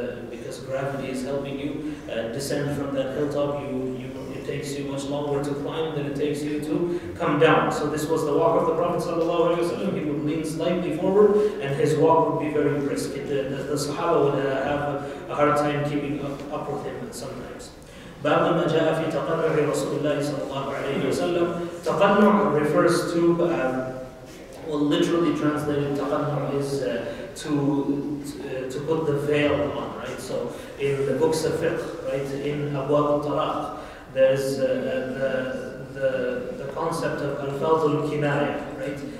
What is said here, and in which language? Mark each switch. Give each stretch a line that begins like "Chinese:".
English: Because gravity is helping you descend from that hilltop. It takes you much longer to climb than it takes you to come down. So this was the walk of the Prophet sallallahu alaihi wasallam. He would lean slightly forward, and his walk would be very brisk. The Sahaba would have a hard time keeping up with him sometimes.
Arabic: باب ما جاء في تقنع رسول الله صلى الله عليه وسلم.
English: تقنع refers to, literally translated, تقنع is to put the veil on, right? So in the books of fiqh, right, in Abwab al-Talaq, there's the concept of al-fadl al-kinaya, right?